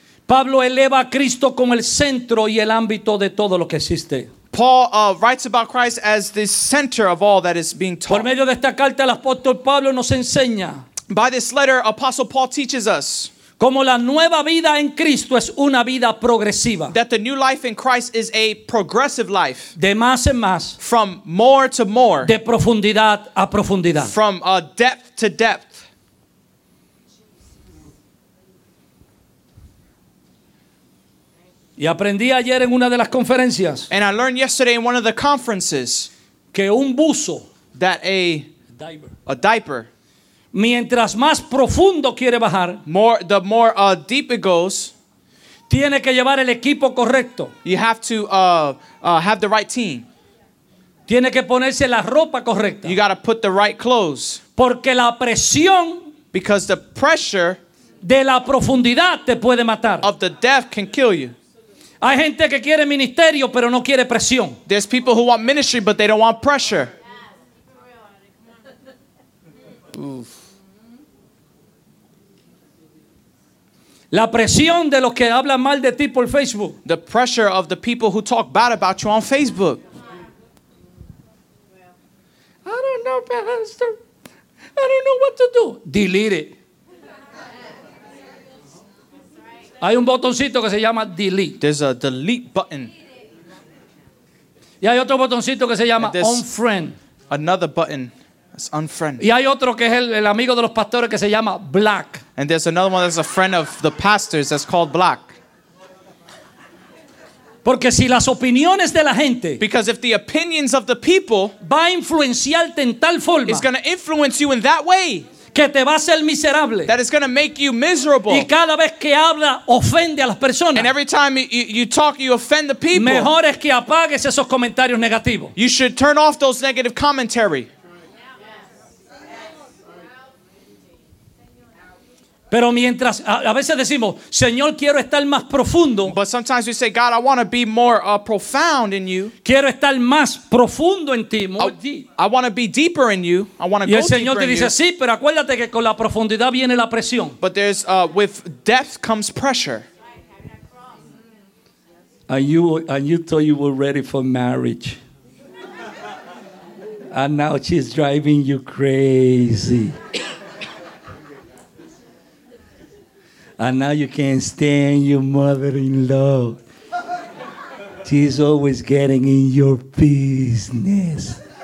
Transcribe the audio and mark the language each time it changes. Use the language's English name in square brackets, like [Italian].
[Spanish] Pablo eleva a Cristo como el centro y el ámbito de todo lo que existe. [English] Paul writes about Christ as the center of all that is being taught. [Spanish] Por medio de esta carta el apóstol Pablo nos enseña. [English] By this letter Apostle Paul teaches us. [Spanish] Como la nueva vida en Cristo es una vida progresiva. [English] That the new life in Christ is a progressive life. [Spanish] De más en más. [English] From more to more. [Spanish] De profundidad a profundidad. [English] From depth to depth. [Spanish] Y aprendí ayer en una de las conferencias. [English] And I learned yesterday in one of the conferences. [Spanish] Que un buzo. [English] That a diaper. A diaper. [Spanish] Mientras más profundo quiere bajar, [English] more, the more deep it goes, [Spanish] tiene que llevar el equipo correcto. [English] You have to have the right team. [Spanish] Tiene que ponerse la ropa correcta. [English] You got to put the right clothes. [Spanish] Porque la presión, [English] because the pressure, [Spanish] de la profundidad te puede matar. [English] Of the depth can kill you. [Spanish] Hay gente que quiere ministerio pero no quiere presión. [English] There's people who want ministry but they don't want pressure. [Spanish] La presión de los que hablan mal de ti por Facebook. [English] The pressure of the people who talk bad about you on Facebook. I don't know, Pastor. I don't know what to do. Delete it. [Spanish] Hay un botoncito que se llama delete. [English] There's a delete button. [Spanish] Y hay otro botoncito que se llama unfriend. [English] Another button. It's unfriend. [Spanish] Y hay otro que es el amigo de los pastores que se llama Black. [English] And there's another one that's a friend of the pastors that's called Black. [Spanish] Porque si las opiniones de la gente, [English] because if the opinions of the people, [Spanish] va a influenciarte en tal forma, [English] is going to influence you in that way, [Spanish] que te va a hacer miserable, [English] that is going to make you miserable, [Spanish] y cada vez que habla ofende a las personas, [English] and every time you talk you offend the people, [Spanish] mejor es que apagues esos comentarios negativos. [English] You should turn off those negative commentary. [Spanish] Pero mientras a veces decimos, Señor, quiero estar más profundo. [English] But sometimes we say, God, I want to be more profound in you. [Spanish] Quiero estar más profundo en ti, [English] I want to be deeper in you. I want to go deeper. [Spanish] Y el Señor te dice, sí, pero acuérdate que con la profundidad viene la presión. [English] But there's with depth comes pressure. And you thought you were ready for marriage. And now she's driving you crazy. And now you can't stand your mother-in-law. She's always getting in your business.